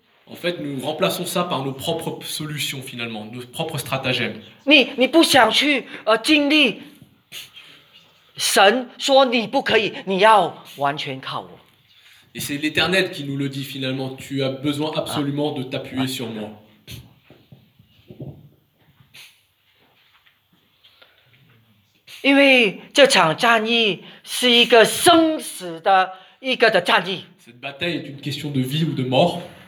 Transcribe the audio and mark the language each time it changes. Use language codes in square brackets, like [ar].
[fr] En fait, nous remplaçons ça par nos propres solutions finalement, nos propres stratagèmes. [zh] 你不想去经历神说你不可以，你要完全靠我。 [fr] Et c'est l'Éternel qui nous le dit finalement, tu as besoin absolument de t'appuyer sur moi. Cette bataille est une question de vie ou de mort.